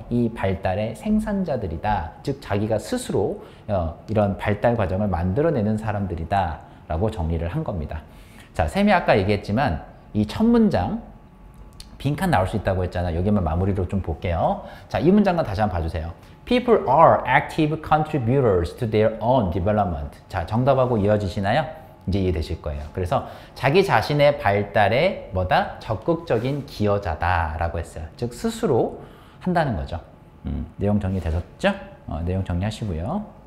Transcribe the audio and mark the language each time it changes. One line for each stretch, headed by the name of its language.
Korean: 이 발달의 생산자들이다. 즉 자기가 스스로 이런 발달 과정을 만들어내는 사람들이다 라고 정리를 한 겁니다. 자, 샘이 아까 얘기했지만 이 첫 문장 빈칸 나올 수 있다고 했잖아. 여기만 마무리로 좀 볼게요. 자, 이 문장만 다시 한번 봐주세요.
English: People are active contributors to their own development.
Korean: 자, 정답하고 이어지시나요? 이제 이해되실 거예요. 그래서 자기 자신의 발달에 뭐다? 적극적인 기여자다 라고 했어요. 즉 스스로 한다는 거죠. 내용 정리 되셨죠? 내용 정리하시고요.